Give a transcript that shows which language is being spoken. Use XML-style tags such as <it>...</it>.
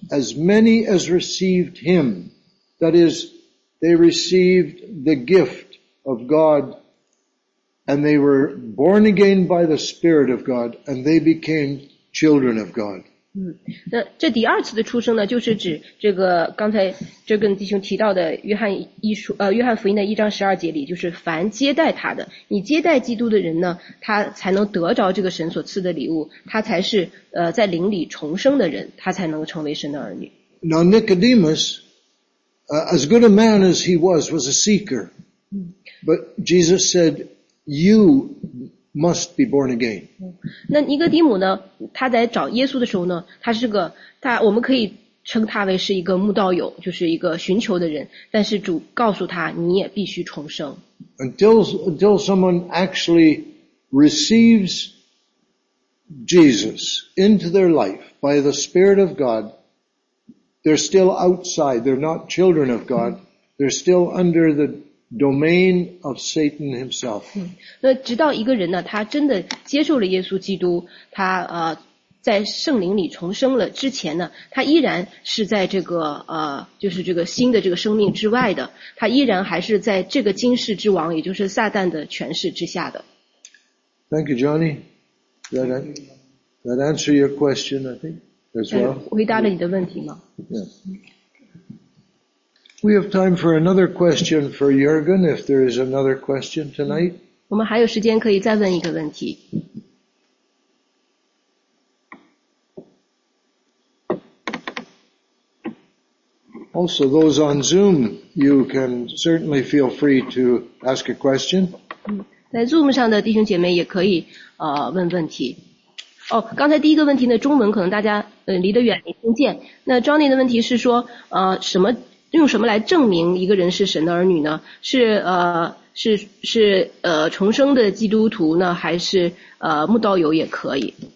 <en>As many as received him, that is, they received the gift of God, and they were born again by the Spirit of God, and they became children of God.</en> <zh>那这第二次的出生呢，就是指这个刚才这跟弟兄提到的约翰福音的一章十二节里，就是凡接待他的，你接待基督的人呢，他才能得着这个神所赐的礼物，他才是在灵里重生的人，他才能成为神的儿女。</zh> <en>Now Nicodemus, as good a man as he was a seeker, but Jesus said, "You must be born again."</en> <zh>那尼哥底母呢，他在找耶稣的时候呢，我们可以称他为是一个慕道友，就是一个寻求的人，但是主告诉他，你也必须重生。</zh> <en>Until someone actually receives Jesus into their life by the Spirit of God, they're still outside, they're not children of God, they're still under the domain of Satan himself.</en> <zh>那直到一个人呢，他真的接受了耶稣基督，他在圣灵里重生了之前呢，他依然是在这个就是这个新的这个生命之外的，他依然还是在这个今世之王，也就是撒旦的权势之下的。</zh> <en>Thank you, Johnny. That answer your question, I think, as well.</en> <zh>回答了你的问题吗？</zh> <en>Yes. We have time for another question for Jurgen, if there is another question tonight.</en> <zh>我们还有时间可以再问一个问题。</zh> <en>Also, those on Zoom, you can certainly feel free to ask a question.</en> <zh>在 Zoom 上的弟兄姐妹也可以问问题。哦，刚才第一个问题呢，中文可能大家离得远没听见。那 Johnny 的问题是说什么？用什么来证明一个人是神的儿女呢？是重生的基督徒呢，还是慕道友也可以？</zh>